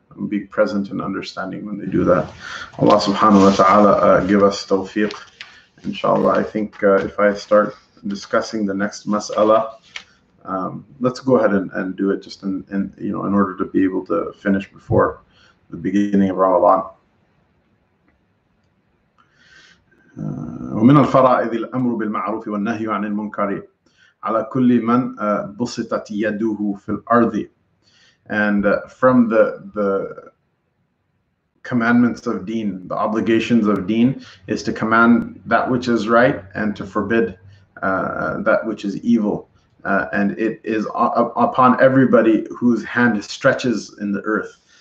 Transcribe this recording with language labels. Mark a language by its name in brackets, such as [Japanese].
[English] Be present in understanding when they do that. Allah Subhanahu Wa Ta'ala give us tawfiq. Inshallah, I think if I start discussing the next mas'ala, let's go ahead and do it just in you know, in order to be able to finish before the beginning of Ramadan. [Arabic] ومن الفرائض الأمر بالمعروف والنهي عن المنكر على كل من بسطت يده في الأرض. [English] And from the commandments of deen, the obligations of deen, is to command that which is right and to forbid that which is evil. And it is upon everybody whose hand stretches in the earth.